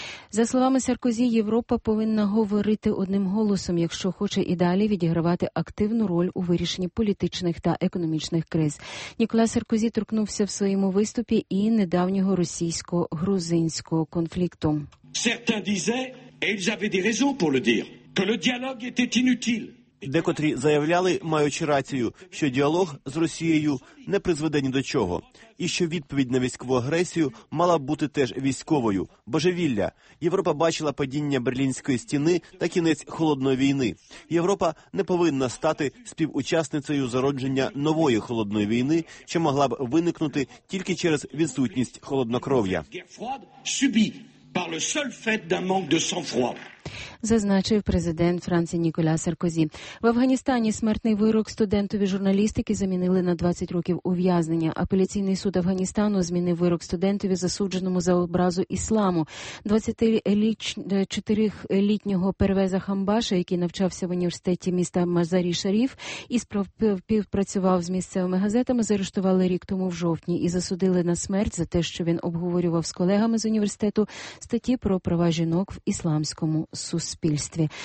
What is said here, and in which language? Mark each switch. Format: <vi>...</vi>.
<uk>За словами Саркозі, Європа повинна говорити одним голосом, якщо хоче і далі відігравати активну роль у вирішенні політичних та економічних криз. Ніколя Саркозі торкнувся в своєму виступі і недавнього російсько-грузинського конфлікту.</uk> <fr>Certains disaient, et ils avaient des raisons pour le dire, que le dialogue était inutile.</fr> <uk>Декотрі заявляли, маючи рацію, що діалог з Росією не призведе ні до чого, і що відповідь на військову агресію мала бути теж військовою. Божевілля. Європа бачила падіння Берлінської стіни та кінець холодної війни. Європа не повинна стати співучасницею зародження нової холодної війни, що могла б виникнути тільки через відсутність холоднокров'я.</uk> <fr>Par le seul fait d'un manque de sang-froid.</fr> <uk>Зазначив президент Франції Ніколя Саркозі. В Афганістані смертний вирок студентові журналістики замінили на 20 років ув'язнення. Апеляційний суд Афганістану змінив вирок студентові, засудженому за образу ісламу. 24-літнього Первеза Хамбаша, який навчався в університеті міста Мазарі-Шаріф і співпрацював з місцевими газетами, заарештували рік тому в жовтні і засудили на смерть за те, що він обговорював з колегами з університету статті про права жінок в ісламському суспільстві.</uk>